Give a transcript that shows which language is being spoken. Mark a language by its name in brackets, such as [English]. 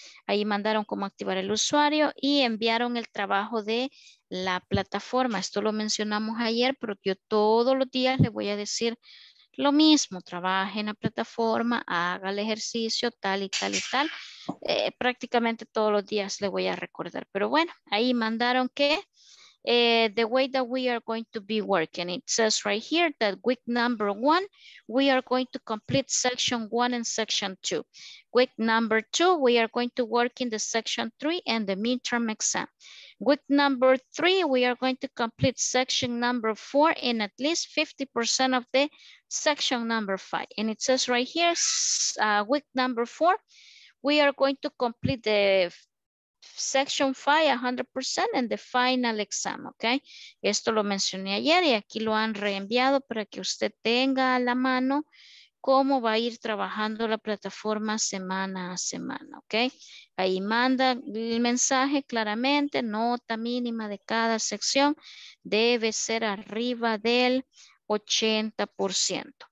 [Spanish] Ahí mandaron cómo activar el usuario y enviaron el trabajo de la plataforma. Esto lo mencionamos ayer, pero yo todos los días les voy a decir lo mismo. Trabaje en la plataforma, haga el ejercicio, tal y tal y tal. Prácticamente todos los días les voy a recordar. Pero bueno, ahí mandaron que [English] the way that we are going to be working, it says right here that week number one, we are going to complete section one and section two. Week number two, we are going to work in the section three and the midterm exam. Week number three, we are going to complete section number four in at least 50% of the section number five. And it says right here, week number four, we are going to complete the section 5 100% and the final exam, okay? [Spanish] Esto lo mencioné ayer y aquí lo han reenviado para que usted tenga a la mano cómo va a ir trabajando la plataforma semana a semana, okay? Ahí manda el mensaje claramente, nota mínima de cada sección debe ser arriba del 80%.